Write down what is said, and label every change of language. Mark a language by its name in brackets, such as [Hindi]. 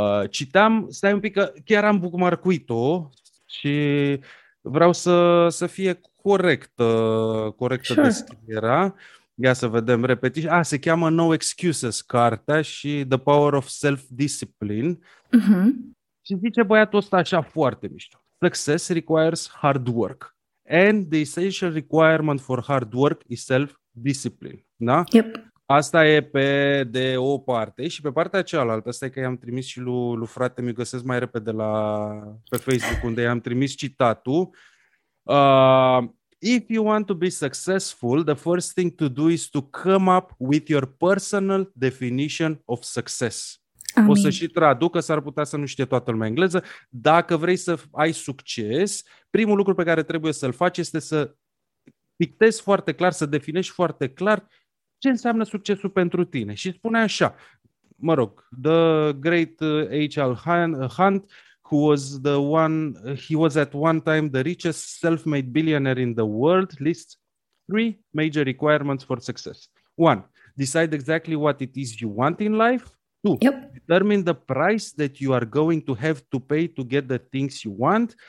[Romanian] Citeam, stai un pic, că chiar am bookmark-uit-o și vreau să fie corectă sure. descrierea. Ia să vedem, repeti. Ah, se cheamă No Excuses, cartea, și The Power of Self-Discipline. Uh-huh. Și zice băiatul ăsta așa foarte mișto. [English] Success requires hard work. And the essential requirement for hard work is self-discipline. [Romanian] Da? [English] Yep. [Romanian] Asta e pe de o parte. Și pe partea cealaltă, stai că i-am trimis și lui frate, mi-o găsesc mai repede pe Facebook, unde i-am trimis citatul. [English] If you want to be successful, the first thing to do is to come up with your personal definition of success. [Romanian] Amin. O să și traduc, că s-ar putea să nu știe toată lumea engleză. Dacă vrei să ai succes, primul lucru pe care trebuie să-l faci este să pictezi foarte clar, să definești foarte clar ce înseamnă succesul pentru tine. Și spune așa, mă rog, [English] the great H.L. Hunt, who was the one, he was at one time the richest self-made billionaire in the world, lists three major requirements for success. One, decide exactly what it is you want in life. Two, yep. determine the price that you are going to have to pay to get the things you want.